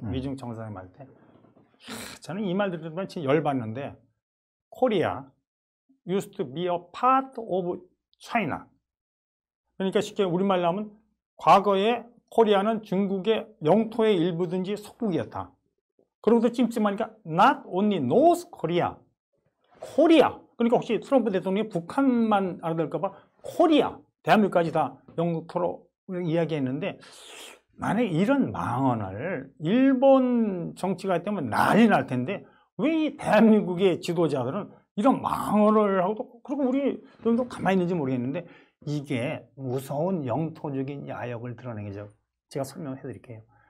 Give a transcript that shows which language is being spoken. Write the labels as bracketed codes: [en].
[ko] 미중 정상회담 할 때. 저는 이 말 들으면 진짜 열받는데 코리아 [en] used to be a part of China. [ko] 그러니까 쉽게 우리말로 하면 과거에 코리아는 중국의 영토의 일부든지 속국이었다. 그러고도 찜찜하니까 [en] not only North Korea. [ko] 코리아. 그러니까 혹시 트럼프 대통령이 북한만 알아들까 봐 코리아, 대한민국까지 다 영토로 이야기했는데 만약에 이런 망언을 일본 정치가 되면 난리 날 텐데 왜 이 대한민국의 지도자들은 이런 망언을 하고 그리고 우리 좀더 가만히 있는지 모르겠는데 이게 무서운 영토적인 야욕을 드러내는 게죠. 제가 설명을 해드릴게요.